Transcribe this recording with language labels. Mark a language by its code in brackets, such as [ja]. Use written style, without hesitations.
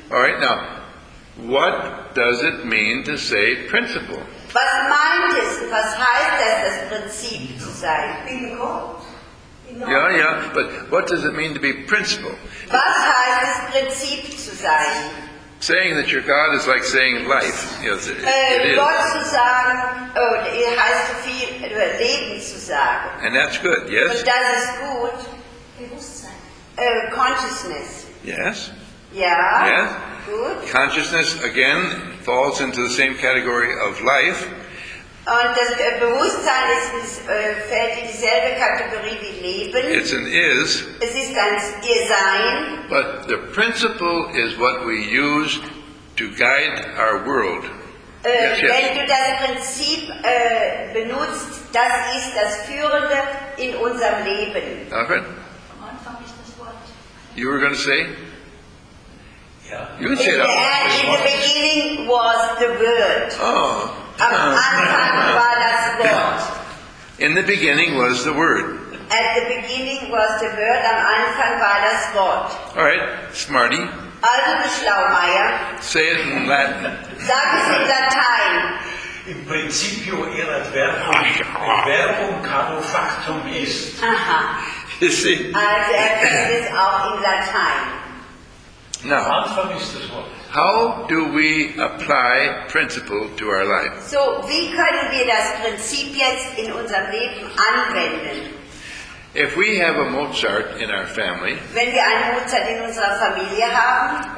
[en] All right, now, what does it mean to say principle? [de] Was meint es, was heißt es, das Prinzip zu sein? Ich bin Gott. Ja, ja, [en] but what does it mean to be principle? [de] Was heißt es, Prinzip zu sein? [en] Saying that your God is like saying life. You know, it is. [de] Gott zu sagen, oh, it heißt so viel, Leben zu sagen. [en] And that's good, yes? [de] Und das ist gut. Bewusstsein. [en] Consciousness. Yes. Yeah. Yeah. Good. Consciousness, again, falls into the same category of life. [de] Und das Bewusstsein fällt in dieselbe Kategorie wie Leben. [en] It's an is. [de] Es ist ein Design. [en] But the principle is what we use to guide our world. Yes, wenn yes. [de] du das Prinzip benutzt, das ist das Führende in unserem Leben. [en] Okay. [de] Am Anfang ist das Wort. [en] You were going to say? Yeah. You would say in that. In the beginning was the Word. Oh. [de] Am Anfang war das Wort. [en] In the beginning was the Word. At the beginning was the Word. [de] Am Anfang war das Wort. [en] All right, Smarty. [de] Also, du Schlaumeier. [en] Say it in Latin. [de] Sag es in Latein. [la] Im Principio erat verbum. Verbum caro factum ist. Aha. [en] You see? [de] Also, erkennt es auch in Latein. [en] Now, how do we apply principle to our life? [de] So, wie können wir das Prinzip jetzt in unserem Leben anwenden? [en] If we have a Mozart in our family, [de] wenn wir einen Mozart in unserer Familie haben,